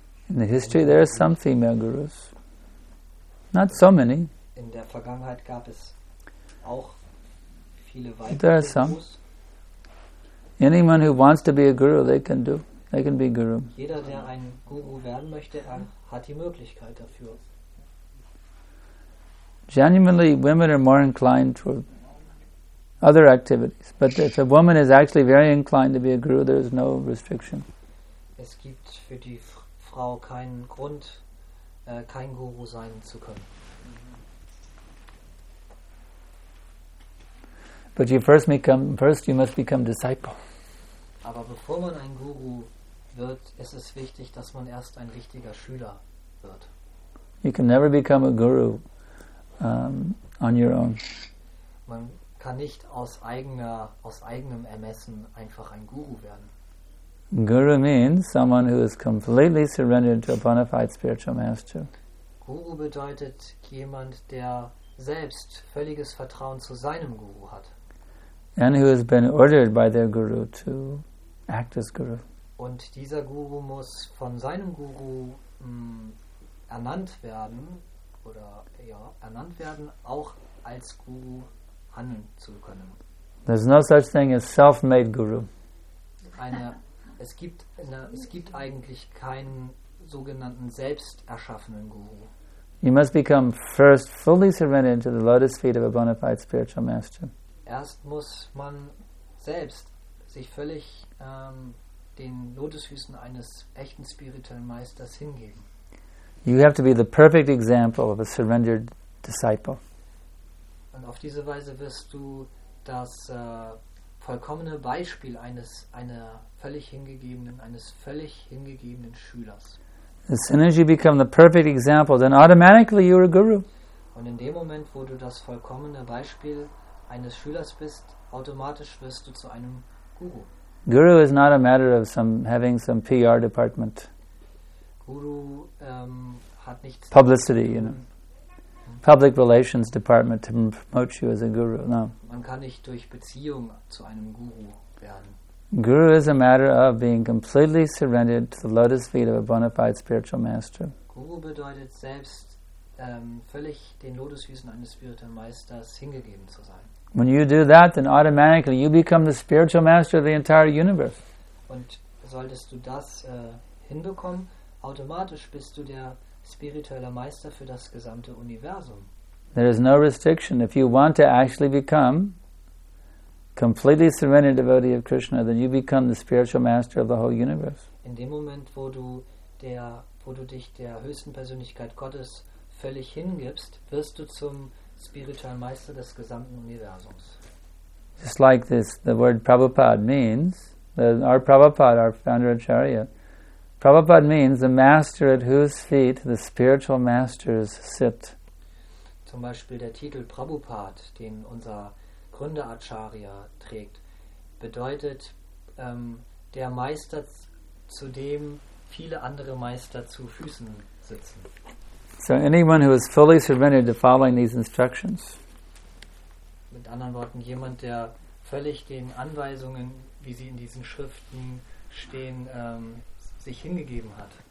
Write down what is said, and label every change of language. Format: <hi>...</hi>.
<en>In the history, there are some female gurus. Not so many.</en> <de>In der Vergangenheit gab es auch viele weitere</de> <en>There are some.</en> <de>Gurus.</de> <en>Anyone who wants to be a guru, they can do. They can be a guru.</en> <de>Jeder, der ein Guru werden möchte, hat die Möglichkeit dafür.</de> <en>Genuinely, women are more inclined to other activities. But if a woman is actually very inclined to be a guru, there is no restriction.</en> <de>Es gibt für die Frau keinen Grund, kein Guru sein zu können.</de> <en>But you first you must become disciple.</en> <de>Aber bevor man ein Guru wird, ist es wichtig, dass man erst ein richtiger Schüler wird.</de> <en>You can never become a guru on your own.</en> <de>Man kann nicht aus eigenem Ermessen einfach ein Guru werden.</de> <en>Guru means someone who is completely surrendered to a bona fide spiritual master.</en> <de>Guru bedeutet jemand, der selbst völliges Vertrauen zu seinem Guru hat.</de> <en>And who has been ordered by their guru to act as guru.</en> <de>Und dieser Guru muss von seinem Guru ernannt werden oder ja ernannt werden, auch als Guru handeln zu können.</de> <en>There's no such thing as self-made guru.</en> <de>Es gibt eigentlich keinen sogenannten selbst erschaffenen Guru.</de> <en>You must become first fully surrendered to the lotus feet of a bona fide spiritual master.</en> <de>Erst muss man selbst sich völlig den Lotusfüßen eines echten spirituellen Meisters hingeben.</de> <en>You have to be the perfect example of a surrendered disciple.</en> <de>Und auf diese Weise wirst du das vollkommene Beispiel eines völlig hingegebenen Schülers.</de> <en>As soon as you become the perfect example, then automatically you're a guru.</en> <de>Und in dem Moment, wo du das vollkommene Beispiel eines Schülers bist, automatisch wirst du zu einem Guru.</de> <en>Guru is not a matter of having some PR department.</en> <de>Guru hat nichts.</de> <en>Publicity, you know. Public relations department to promote you as a guru. No.</en> <de>Man kann nicht durch Beziehung zu einem Guru werden.</de> <en>Guru is a matter of being completely surrendered to the lotus feet of a bona fide spiritual master.</en> <de>Guru bedeutet selbst völlig den Lotusfüßen eines spirituellen Meisters hingegeben zu sein.</de> <en>When you do that, then automatically you become the spiritual master of the entire universe.</en> <de>Und solltest du das hinbekommen, automatisch bist du der spirituelle Meister für das gesamte Universum.</de> <en>There is no restriction. If you want to actually become completely surrendered devotee of Krishna, then you become the spiritual master of the whole universe.</en> <de>In dem Moment, wo du dich der höchsten Persönlichkeit Gottes völlig hingibst, wirst du zum spirituellen Meister des gesamten Universums.</de> <en>Just like this, the word Prabhupada means, our Prabhupada, our founder Acharya, Prabhupada means the master at whose feet the spiritual masters sit.</en> <de>Zum Beispiel der Titel Prabhupada, den unser Gründer Acharya trägt, bedeutet der Meister, zu dem viele andere Meister zu Füßen sitzen.</de> <en>So anyone who is fully surrendered to following these instructions.</en> <de>Mit anderen Worten, jemand, der völlig den Anweisungen, wie sie in diesen Schriften stehen, sich hingegeben hat.</de>